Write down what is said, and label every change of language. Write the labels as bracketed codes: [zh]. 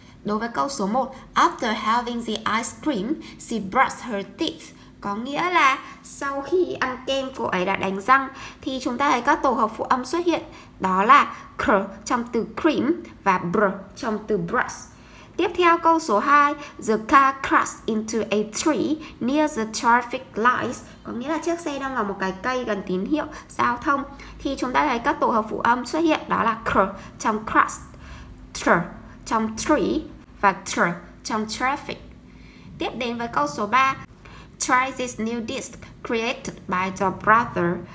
[vi] Đối với câu số 1, [en] after having the ice cream, she brushed her teeth. [vi] Có nghĩa là sau khi ăn kem cô ấy đã đánh răng thì chúng ta thấy các tổ hợp phụ âm xuất hiện, đó là cr trong từ cream và br trong từ brush. Tiếp theo câu số 2, [en] the car crashed into a tree near the traffic lights. [vi] Có nghĩa là chiếc xe đang vào một cái cây gần tín hiệu giao thông. Thì chúng ta thấy các tổ hợp phụ âm xuất hiện, đó là cr trong crashed, tr trong tree và tr trong traffic. Tiếp đến với câu số 3, [en] try this new dish created by your brother.